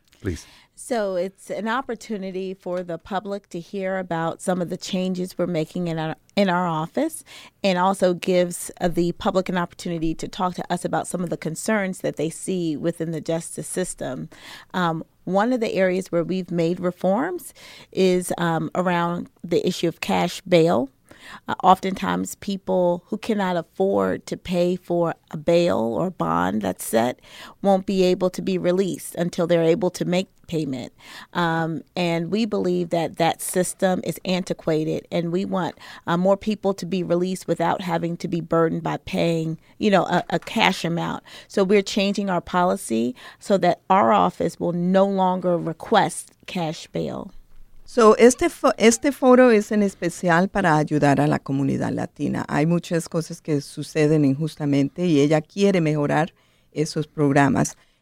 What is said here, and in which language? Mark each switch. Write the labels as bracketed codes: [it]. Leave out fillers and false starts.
[en] Please. So it's an opportunity for the public to hear about some of the changes we're making in our office, and also gives the public an opportunity to talk to us about some of the concerns that they see within the justice system. One of the areas where we've made reforms is around the issue of cash bail. Oftentimes, people who cannot afford to pay for a bail or bond that's set won't be able to be released until they're able to make payment. And we believe that system is antiquated, and we want more people to be released without having to be burdened by paying, you know, a cash amount. So we're changing our policy so that our office will no longer request cash bail. [es] So, este foro es en especial para ayudar a la comunidad latina. Hay muchas cosas que suceden injustamente y ella quiere mejorar esos programas.